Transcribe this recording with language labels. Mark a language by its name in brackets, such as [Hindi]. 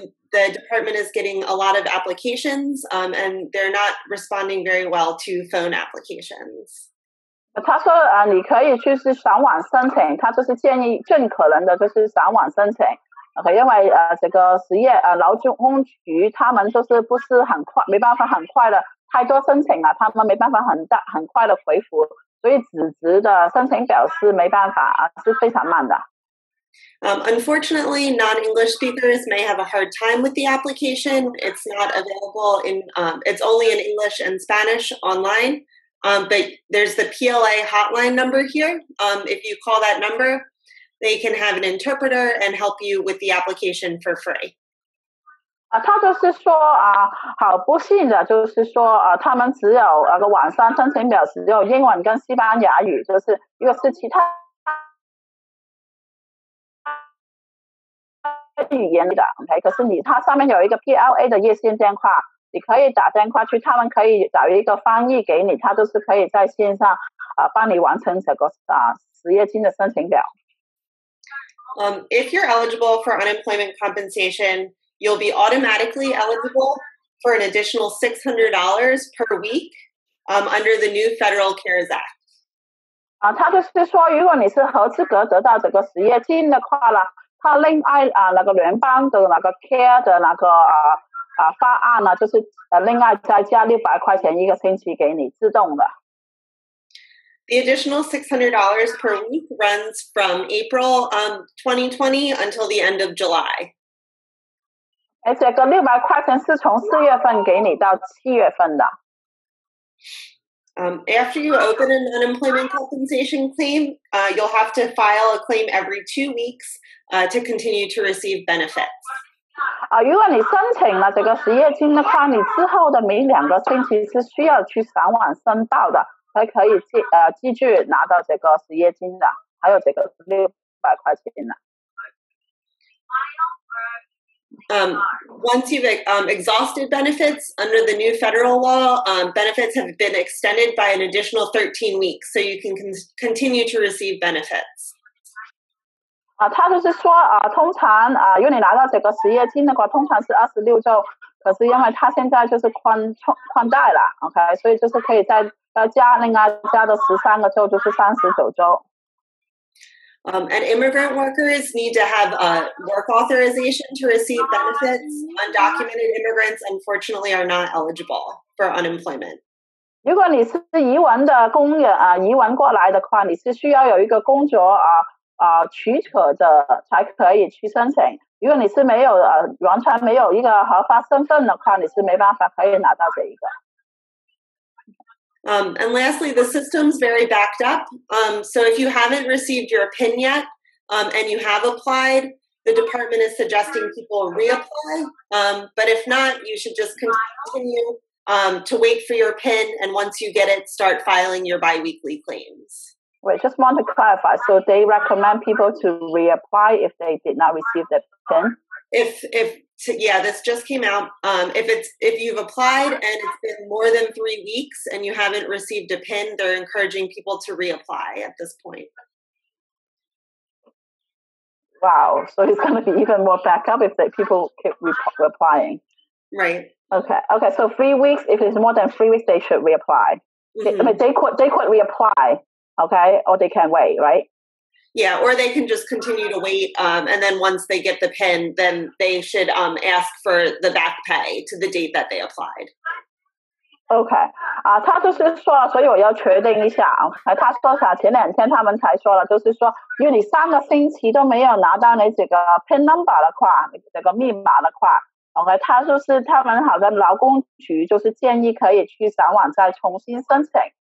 [English] The department is getting a lot of applications, and they're not responding very well to phone applications. [Chinese] 他说你可以去是上网申请，他就是建议尽可能的就是上网申请。 Okay, 因为这个失业劳工局他们就是不是很快，没办法很快的。太多申请了，他们没办法很快的回复，所以纸质的申请表示没办法是非常慢的。 [English] Unfortunately, non-English speakers may have a hard time with the application. It's not available in, it's only in English and Spanish online. But there's the PLA hotline number here. If you call that number, they can have an interpreter and help you with the application for free. [Chinese] 他就是说好不幸的就是说他们只有个网上申请表只有英文跟西班牙语就是一个是其他语言的 OK 可是他上面有一个 PLA 的热线电话你可以打电话去他们可以找一个翻译给你他就是可以在线上帮你完成这个失业金的申请表。 [English] If you're eligible for unemployment compensation,You'll be automatically eligible for an additional $600 per week under the new Federal CARES Act. [Chinese] 他就是说，如果你是合资格得到这个失业金的话呢，他另外那个联邦的那个 CARE 的那个法案呢，就是另外再加$600一个星期给你，自动的。 [English] The additional $600 per week runs from April 2020 until the end of July. [Chinese] 这个$600是从四月份给你到七月份的。 [English] After you open an unemployment compensation claim, you'll have to file a claim every 2 weeks, to continue to receive benefits. [Chinese] 如果你申请了这个失业金的话，你之后的每两个星期是需要去上网申报的，才可以继续拿到这个失业金的，还有这个$600的。 [English] Once you've exhausted benefits under the new federal law, benefits have been extended by an additional 13 weeks, so you can continue to receive benefits. [Chinese] 他就是说通常因为你拿到这个失业金的话通常是26周可是因为他现在就是宽带了 OK, 所以就是可以再加另外加的13个周就是39周。 [English] And immigrant workers need to have a work authorization to receive benefits. Undocumented immigrants, unfortunately, are not eligible for unemployment. [Chinese] 如果你是移民的工人，移民过来的话，你是需要有一个工作许可的才可以去申请。如果你是没有完全没有一个合法身份的话，你是没办法可以拿到这一个。 [English] And lastly, the system's very backed up. So if you haven't received your PIN yet, and you have applied, the department is suggesting people reapply. But if not, you should just continue to wait for your PIN, and once you get it, start filing your biweekly claims. Wait, just want to clarify. So they recommend people to reapply if they did not receive their PIN? This just came out. If you've applied and it's been more than 3 weeks and you haven't received a PIN, they're encouraging people to reapply at this point. Wow. So it's going to be even more back up if people keep replying. Right. Okay. So 3 weeks, if it's more than 3 weeks, they should reapply. Mm-hmm. They could reapply. Okay. Or they can wait, right? Yeah. Or they can just continue to wait. And then once they get the PIN, then they should ask for the back pay to the date that they applied. Okay. [Chinese] 他就是说，所以我要确定一下。他说啥？前两天他们才说了，就是说，因为你三个星期都没有拿到那几个 PIN number 的话，这个密码的话 ，OK， 他就是他们好像劳工局就是建议可以去上网再重新申请。